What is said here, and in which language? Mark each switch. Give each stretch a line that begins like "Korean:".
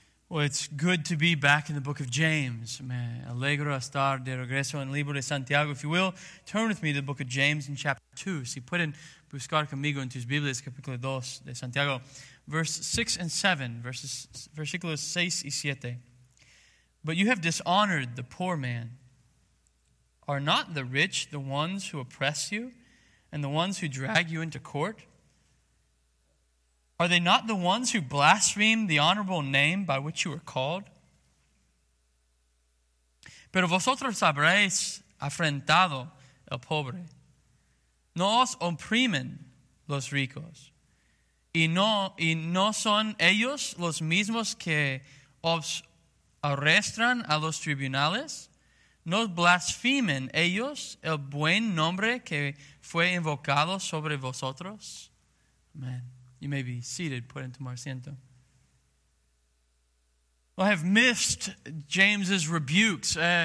English: Well, it's good to be back in the book of James.
Spanish: Me alegro a estar de regreso en el libro de Santiago.
English: If you will, turn with me to the book of James in chapter 2.
Spanish: Si pueden buscar conmigo en tus Biblias, capítulo 2 de Santiago, versículos 6 y 7.
English: But you have dishonored the poor man. Are not the rich the ones who oppress you and the ones who drag you into court? Are they not the ones who blaspheme the honorable name by which you are called?
Spanish: Pero vosotros habréis afrentado el pobre. No os oprimen los ricos. Y no son ellos los mismos que os arrestan a los tribunales? No blasfemen ellos el buen nombre que fue invocado sobre vosotros?
English: Amen. You may be seated, put into
Spanish: tomar asiento.
English: Well, I have missed James's rebukes.